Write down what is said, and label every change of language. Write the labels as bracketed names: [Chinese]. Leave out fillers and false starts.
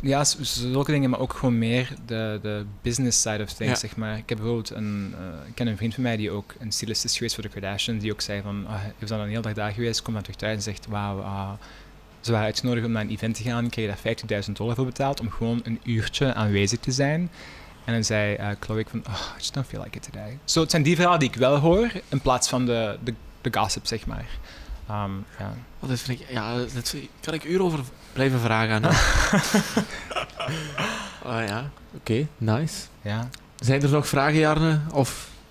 [Dutch] Ja, zulke dingen, maar ook gewoon meer de [English] business side of things, [Dutch] ja, zeg maar. Ik heb bijvoorbeeld ik ken een vriend van mij die ook een stylist is geweest voor de Kardashians, die ook zei van, we zijn een hele dag daar geweest, kom dan terug thuis en zegt, wauw, ze waren uitgenodigd om naar een event te gaan, kreeg daar $50,000 voor betaald om gewoon een uurtje aanwezig te zijn. En dan zei Chloe van, [English] oh, I just don't feel like it today. [Dutch] Zo, het zijn die verhalen die ik wel hoor, in plaats van de gossip, zeg maar. Dat vind ik, ja, dat kan ik uren over blijven vragen aan. ja, oké, [English] okay, nice. [Dutch] Ja. Zijn er nog vragen, Jarne? Of...